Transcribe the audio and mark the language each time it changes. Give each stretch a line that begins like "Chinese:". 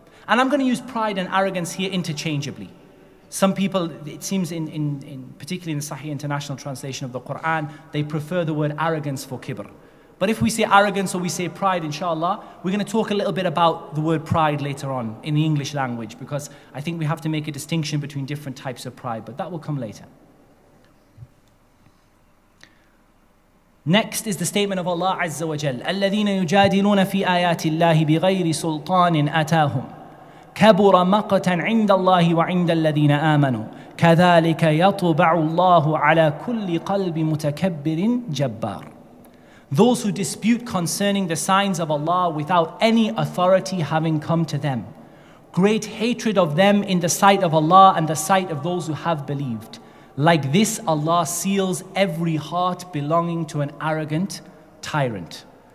English: And I'm going to use pride and arrogance here interchangeably. Some people, it seems in particularly in the Sahih International Translation of the Qur'an, they prefer the word arrogance for kibr. But if we say arrogance or we say pride, inshallah, we're going to talk a little bit about the word pride later on in the English language, because I think we have to make a distinction between different types of pride, but that will come later. Next is the statement of Allah Azza wa Jal,
Arabic: الَّذِينَ يُجَادِلُونَ فِي آيَاتِ اللَّهِ بِغَيْرِ سُلْطَانٍ أَتَاهُمْ كَبُرَ مَقَّةً عِنْدَ اللَّهِ وَعِنْدَ الَّذِينَ آمَنُوا كَذَلِكَ يَطُبَعُ اللَّهُ عَلَى كُلِّ قَلْبِ مُتَكَبِّرٍ جَبَّارٍ.
English: Those who dispute concerning the signs of Allah without any authority having come to them. Great hatred of them in the sight of Allah and the sight of those who have believed. Like this, Allah seals every heart belonging to an arrogant tyrant.